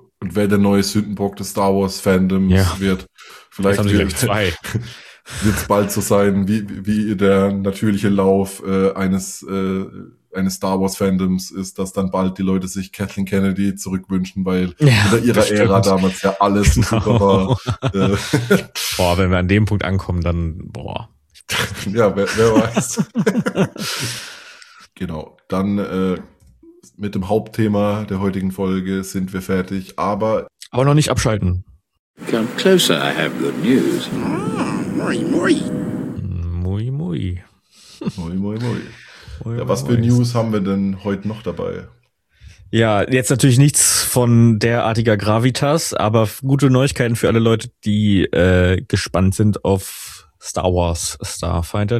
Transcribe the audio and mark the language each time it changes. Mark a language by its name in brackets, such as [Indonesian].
[German] Und wer der neue Sündenbock des Star Wars Fandoms wird, vielleicht wird es bald so sein, wie der natürliche Lauf eines Star Wars Fandoms ist, dass dann bald die Leute sich Kathleen Kennedy zurückwünschen, weil unter ihrer Ära damals ja alles super war. Boah, wenn wir an dem Punkt ankommen, dann boah. Ja, wer weiß. Genau, dann mit dem Hauptthema der heutigen Folge sind wir fertig, aber noch nicht abschalten. [English] Come closer, I have good news. Mui. [German] Ja, was für News haben wir denn heute noch dabei? Ja, jetzt natürlich nichts von derartiger Gravitas, aber gute Neuigkeiten für alle Leute, die gespannt sind auf Star Wars Starfighter.